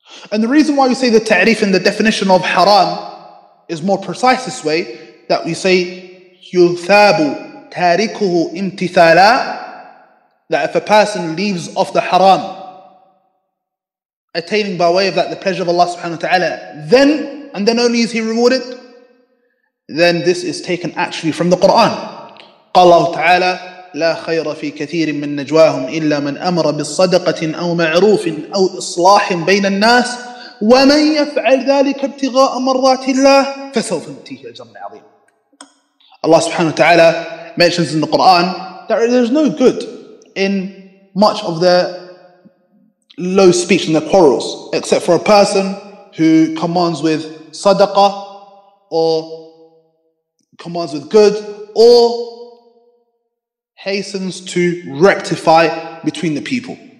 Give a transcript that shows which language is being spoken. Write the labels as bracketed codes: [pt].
[en] And the reason why we say the ta'rif and the definition of haram is more precise this way, that we say [ar] يُثَابُ تَارِكُهُ امْتِثَالًا, [en] that if a person leaves off the haram, attaining by way of that the pleasure of Allah subhanahu wa ta'ala, then, and then only is he rewarded, then this is taken actually from the Qur'an. [ar] قال الله تعالى لا خير في كثير من نجواهم إلا من أمر بالصدقة أو معروف أو إصلاح بين الناس ومن يفعل ذلك ابتغاء مرضات الله فسوف نؤتيه أجرا عظيما. [en] Allah subhanahu wa ta'ala mentions in the Quran that there is no good in much of the low speech and the quarrels, except for a person who commands with sadaqah, or commands with good, or hastens to rectify between the people.